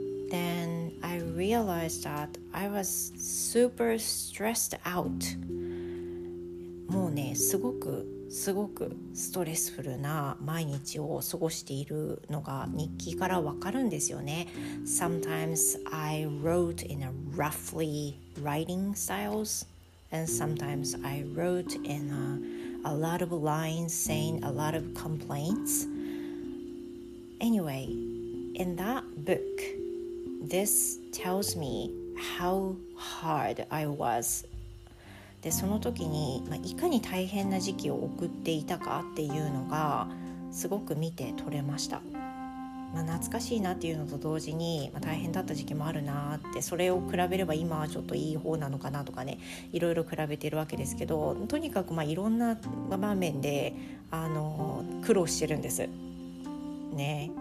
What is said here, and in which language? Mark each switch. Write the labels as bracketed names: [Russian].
[English] Then I realized that I was super stressed out. [Japanese] もうね、すごくすごくストレスフルな毎日を過ごしているのが日記からわかるんですよね。 [English] Sometimes I wrote in a roughly writing styles, and sometimes I wrote in a lot of lines saying a lot of complaints. Anyway, in that book,This tells me how hard I was [Japanese] でその時に、いかに大変な時期を送っていたかっていうのがすごく見て取れました。懐かしいなっていうのと同時に、大変だった時期もあるなって、それを比べれば今はちょっといい方なのかなとかね、いろいろ比べてるわけですけど、とにかくいろんな場面で苦労してるんですね。